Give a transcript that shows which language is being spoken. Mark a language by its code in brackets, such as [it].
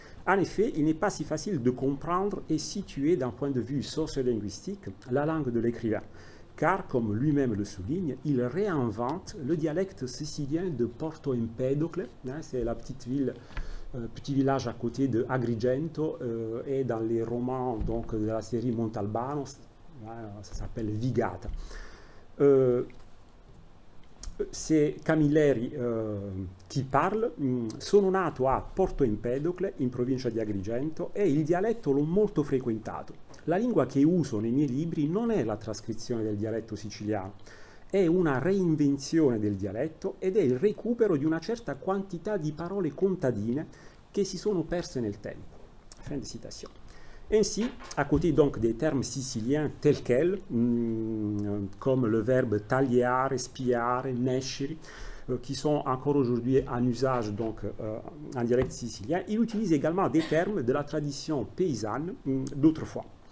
[fr] En effet, il n'est pas si facile de comprendre et situer d'un point de vue sociolinguistique la langue de l'écrivain, car, comme lui-même le souligne, il réinvente le dialecte sicilien de Porto Empedocle, c'est la petite ville, petit village à côté de Agrigento, et dans les romans donc, de la série Montalbano, ça s'appelle Vigata. C'est Camilleri qui parle. [it] Sono nato a Porto Empedocle, in provincia di Agrigento, e il dialetto l'ho molto frequentato. La lingua che uso nei miei libri non è la trascrizione del dialetto siciliano, è una reinvenzione del dialetto ed è il recupero di una certa quantità di parole contadine che si sono perse nel tempo. [fr] Fin de citation. Ainsi, à côté donc des termes siciliens tels quels, comme le verbe tagliare, spiare, nescere, qui sont encore aujourd'hui en usage donc en dialecte sicilien, il utilise également des termes de la tradition paysanne d'autrefois.